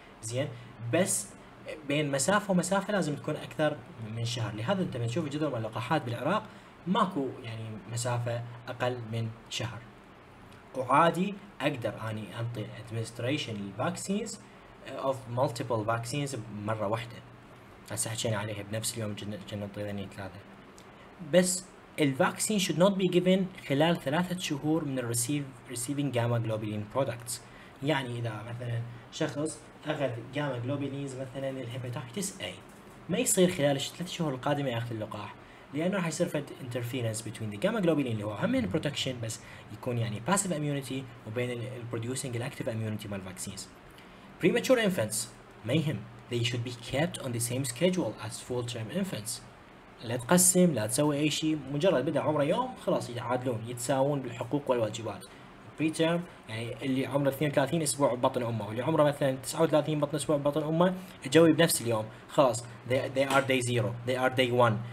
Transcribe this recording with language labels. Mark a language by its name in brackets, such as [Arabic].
[Arabic] زين، بس بين مسافه ومسافه لازم تكون اكثر من شهر، لهذا انت بتشوف جدول اللقاحات بالعراق ماكو يعني مسافة أقل من شهر، وعادي أقدر أني يعني أنطي [English] administration vaccines of multiple vaccines [Arabic] مرة واحدة، هسه حكينا عليها بنفس اليوم كنا نطي ثلاثة. بس ال [English] vaccine should not be given [Arabic] خلال 3 شهور من ال [English] receiving gamma globulin products. [Arabic] يعني إذا مثلا شخص أخذ gamma globulins مثلا للهيباتيتس A ما يصير خلال 3 شهور القادمة ياخذ اللقاح، لانه راح يصير فد انترفيرنس بين ذا جاما جلوبولين اللي هو هم من بروتكشن بس يكون يعني [English] passive immunity, [Arabic] وبين [English] البروديوسنج الاكتيف اميونيتي [Arabic] مال فاكسينز. [English] premature infants [Arabic] ما يهم، [English] they should be kept on the same schedule as full term infants. [Arabic] لا تقسم لا تسوي اي شيء، مجرد بدا عمره يوم خلاص يتعادلون يتساوون بالحقوق والواجبات. بري تيرم يعني اللي عمره 32 اسبوع ببطن امه، واللي عمره مثلا 39 بطن اسبوع ببطن امه تجوي بنفس اليوم خلاص، [English] they are day zero they are day one.